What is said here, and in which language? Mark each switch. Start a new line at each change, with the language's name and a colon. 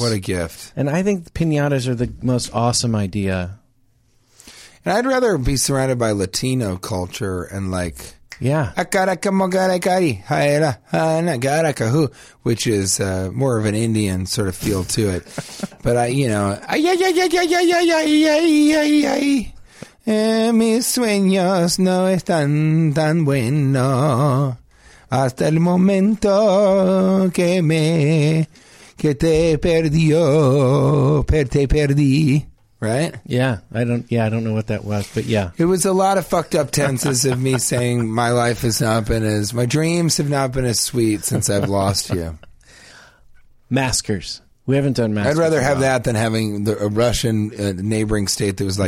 English: What a gift. And I think piñatas are the most awesome idea. And I'd rather be surrounded by Latino culture and like, yeah, which is more of an Indian sort of feel to it. But I, you know,
Spanish: mis sueños no están tan bueno hasta el momento que me que te perdió te perdí.
English: Right? Yeah. I don't know what that was, but yeah. It was a lot of fucked up tenses of me saying my life has not been as, my dreams have not been as sweet since I've lost you. Maskers. We haven't done maskers. I'd rather have that than having a Russian neighboring state that was like,